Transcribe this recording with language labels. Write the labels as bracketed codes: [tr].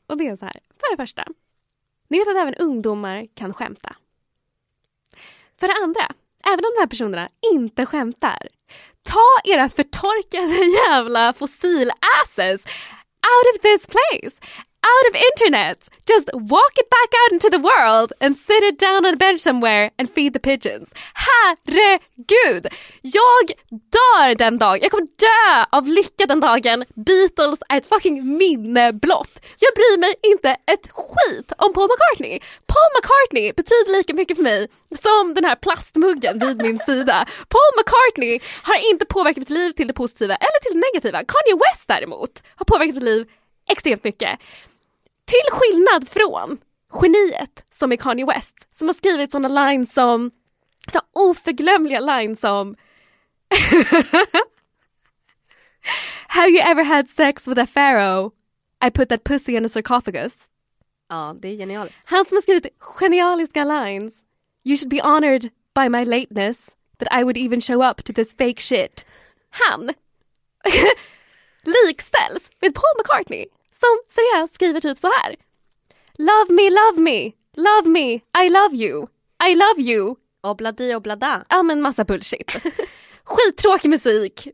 [sv] Och det är så här, för det första. Ni vet att även ungdomar kan skämta. För det andra, även om de här personerna inte skämtar, ta era förtorkade jävla fossil [en] asses out of this place, out of internet. Just walk it back out into the world and sit it down on a bench somewhere and feed the pigeons. [sv] Herregud! Jag dör den dagen. Jag kommer dö av lycka den dagen. Beatles är ett fucking minneblott. Jag bryr mig inte ett skit om Paul McCartney. Paul McCartney betyder lika mycket för mig som den här plastmuggen vid min sida. Paul McCartney har inte påverkat mitt liv till det positiva eller till det negativa. Kanye West däremot har påverkat mitt liv extremt mycket. Till skillnad från geniet som är Kanye West, som har skrivit såna lines som, så oförglömliga lines som [en] Have you ever had sex with a pharaoh? I put that pussy in a sarcophagus. [sv] Ja, det är genialiskt. Han som har skrivit genialiska lines. [en] You should be honored by my lateness that I would even show up to this fake shit. [sv] Han likställs med Paul McCartney. Som seriöst skriver typ så här. [en] Love me, love me. Love me, I love you. I love you. Obladi, oblada. [sv] Ja, men massa bullshit. Skittråkig musik.